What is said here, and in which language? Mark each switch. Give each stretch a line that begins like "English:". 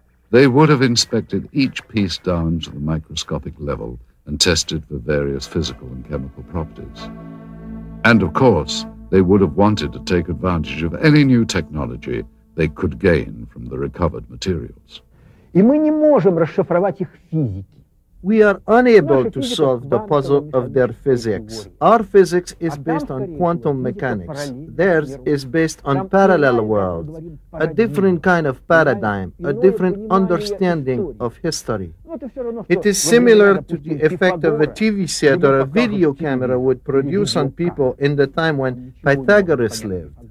English: They would have inspected each piece down to the microscopic level and tested for various physical and chemical properties. And of course, they would have wanted to take advantage of any new technology they could gain from the recovered materials. And we
Russian: не можем расшифровать их физики.
English: We are unable to solve the puzzle of their physics. Our physics is based on quantum mechanics. Theirs is based on parallel worlds, a different kind of paradigm, a different understanding of history. It is similar to the effect of a TV set or a video camera would produce on people in the time when Pythagoras lived.